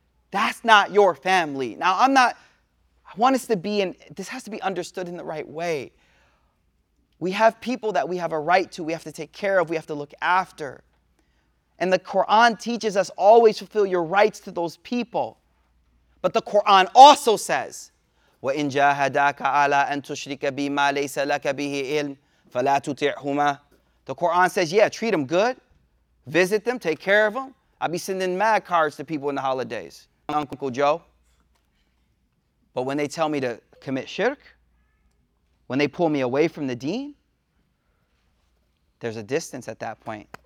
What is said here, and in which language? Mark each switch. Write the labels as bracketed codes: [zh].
[en] That's not your family. Now, this has to be understood in the right way. We have people that we have a right to, we have to take care of, we have to look after. And the Quran teaches us always fulfill your rights to those people. But the Quran also says, [ar] وَإِنْ جَاهَدَاكَ عَلَىٰ أَنْ تُشْرِكَ بِمَا لَيْسَ لَكَ بِهِ إِلْمٍ فَلَا تُطِعْهُمَا. [en] The Quran says, yeah, treat them good. Visit them, take care of them. I'll be sending mad cards to people in the holidays. Uncle Joe. But when they tell me to commit shirk, when they pull me away from the deen, there's a distance at that point.